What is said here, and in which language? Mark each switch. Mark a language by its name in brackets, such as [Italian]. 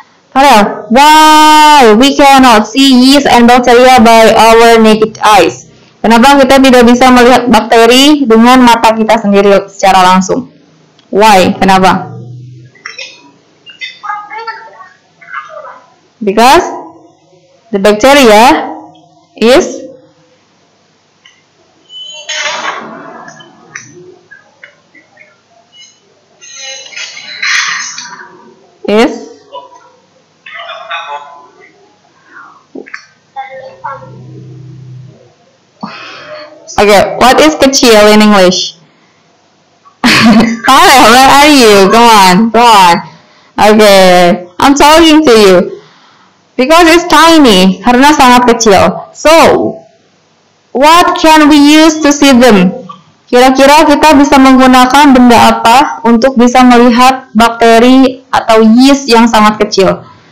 [English] Farel, why we cannot see yeast and bacteria by our naked eyes? [Indonesian] Kenapa kita tidak bisa melihat bakteri dengan mata kita sendiri secara langsung? [English] Why? [Indonesian] Kenapa? [English] Because the bacteria is okay, what is kecil in English? Farel, where are you? Go on. Okay, I'm talking to you. Because it's tiny, [Indonesian] karena sangat kecil. [English] So, what can we use to see them? [Indonesian] Kira-kira kita bisa menggunakan benda apa untuk bisa melihat bakteri atau yeast yang sangat kecil?